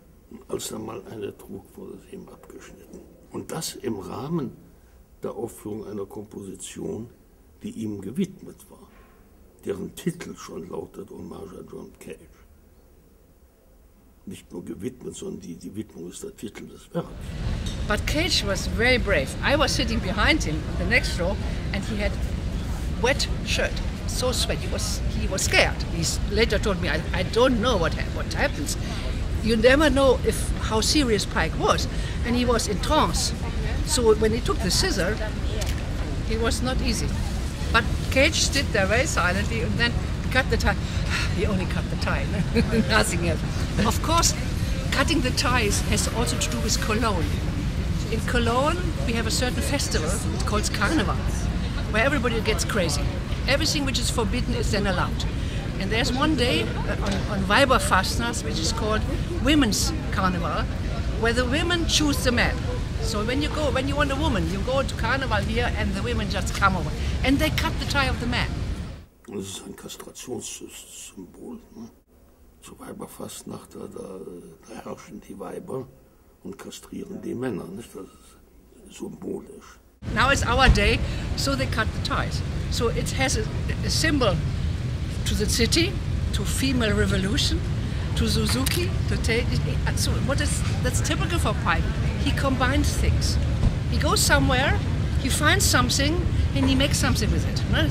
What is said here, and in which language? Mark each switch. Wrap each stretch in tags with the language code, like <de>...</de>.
<de>Und als er mal eine trug, wurde es eben abgeschnitten. Und das im Rahmen der Aufführung einer Komposition, die ihm gewidmet war, deren Titel schon lautet</de> <fr>Hommage à John Cage.</fr> <de>Nicht nur gewidmet, sondern die Widmung ist der Titel des Werks.</de> <en>But Cage was very brave. I was sitting behind him in the next row and he had wet shirt, so sweat. He was scared. He later told me, I don't know what happens. You never know how serious Pike was. And he was in trance. So when he took the scissor, it was not easy. But Cage stood there very silently and then cut the tie. He only cut the tie, nothing else. Of course, cutting the ties has also to do with Cologne. In Cologne, we have a certain festival called Carnival, where everybody gets crazy. Everything which is forbidden is then allowed. And there's one day on Weiberfastnacht, which is called Women's Carnival, where the women choose the men. So when you want a woman, you go to Carnival here and the women just come over. And they cut the tie of the man.</en> <de>Das ist ein Kastrationssymbol. Ne? So Weiberfastnacht, da herrschen die Weiber und kastrieren die Männer. Nicht? Das ist symbolisch.</de> <en>Now it's our day, so they cut the ties. So it has a symbol to the city, to female revolution, to Suzuki, to so what is that's typical for Pike. He combines things. He goes somewhere, he finds something, and he makes something with it. Right?</en>